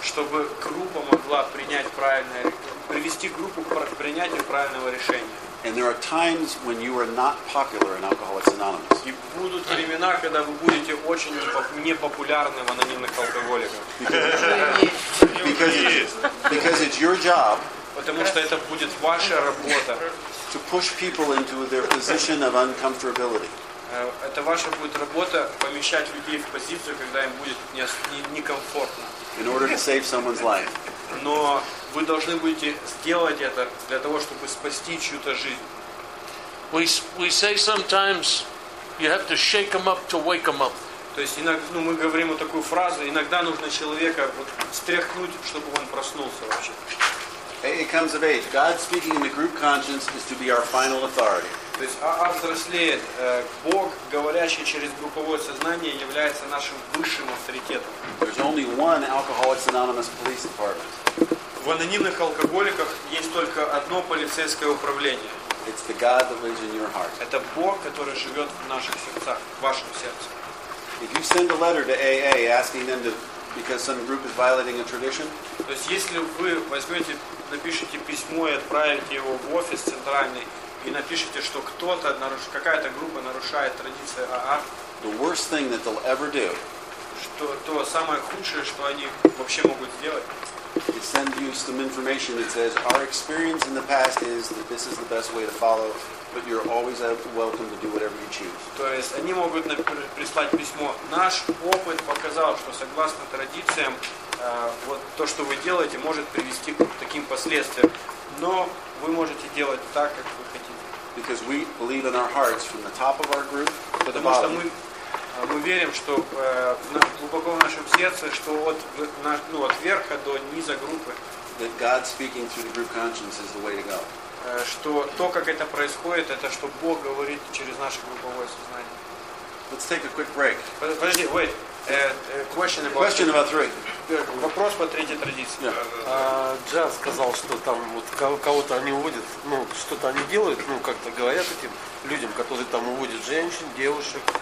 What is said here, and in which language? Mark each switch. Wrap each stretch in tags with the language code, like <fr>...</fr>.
<ru>Чтобы группа могла привести группу к принятию правильного решения.</ru> <en>And there are times when you are not popular in Alcoholics Anonymous.</en> <ru>И будут времена, когда вы будете очень непопулярны в анонимных алкоголиках.</ru> <en>Because it's your job.</en> <ru>Потому что это будет ваша работа.</ru> <en>To push people into their position of uncomfortability.</en> <ru>Это ваша будет работа помещать людей в позицию, когда им будет некомфортно.</ru> <en>In order to save someone's life.</en> <ru>Но вы должны будете сделать это для того, чтобы спасти чью-то жизнь.</ru> <en>We say sometimes you have to shake them up to wake them up.</en> <ru>То есть иногда, ну, мы говорим вот такую фразу, иногда нужно человека вот встряхнуть, чтобы он проснулся вообще.</ru> <en>It comes of age. God speaking in the group conscience is to be our final authority.</en> <ru>То есть взрослеет. Бог, говорящий через групповое сознание, является нашим высшим авторитетом.</ru> <en>There's only one Alcoholics Anonymous police department.</en> <ru>В анонимных алкоголиках есть только одно полицейское управление.</ru> <en>It's the God that lives in your heart.</en> <ru>Это Бог, который живет в наших сердцах, в вашем сердце.</ru> <en>If you send a letter to AA asking them to, because some group is violating a tradition.</en> <ru>То есть если вы возьмете, напишите письмо и отправите его в офис центральный и напишите, что кто-то какая-то группа нарушает традиции АА.</ru> <en>The worst thing that they'll ever do.</en> <ru>Что то самое худшее, что они вообще могут сделать?</ru> <en>Is send you some information that says our experience in the past is that this is the best way to follow. But you're always welcome to do whatever you choose.</en> <ru>То есть они могут прислать письмо. Наш опыт показал, что согласно традициям, вот то, что вы делаете, может привести к таким последствиям. Но вы можете делать так, как вы хотите.</ru> <en>Because we believe in our hearts from the top of our group to the bottom.</en> <ru>Потому что мы верим, что глубоко в нашем сердце, что от верха до низа группы.</ru> <en>That God speaking through the group conscience is the way to go.</en> <ru>Что то, как это происходит, это что Бог говорит через наше групповое сознание.</ru> <en>Let's take a quick break.</en> <ru>Подожди,</ru> <en>wait. Question about three.</en> <ru>Вопрос по третьей традиции. Джан сказал, что там вот кого-то они уводят, ну, что-то они делают, ну, как-то говорят этим людям, которые там уводят женщин, девушек.</ru>